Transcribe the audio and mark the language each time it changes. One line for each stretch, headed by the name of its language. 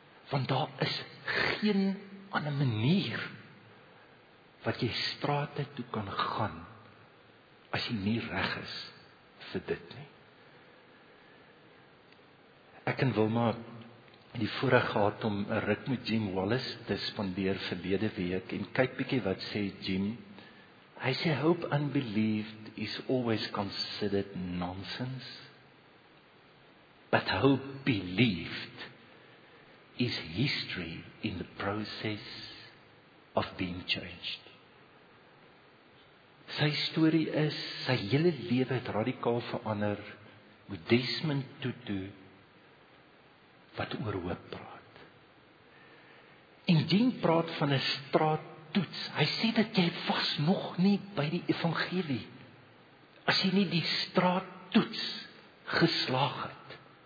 Afrikaans: Want daar is geen ander manier, wat jy strate toe kan gaan, as jy nie reg is, vir dit nie. Ek en Wilma die voorreg gehad om 'n ruk met Jim Wallis te spandeer verlede week, en kyk bietjie wat sê Jim. Hy sê,
English: hope unbelieved is always considered nonsense, but hope believed is history in the process of being changed.
Afrikaans: Sy story is, sy hele lewe het radikaal verander, met Desmond Tutu, wat oor hoop praat. En Jean praat van 'n straattoets, hy sê dat jy vas nog nie by die evangelie, as jy nie die straattoets geslaag het.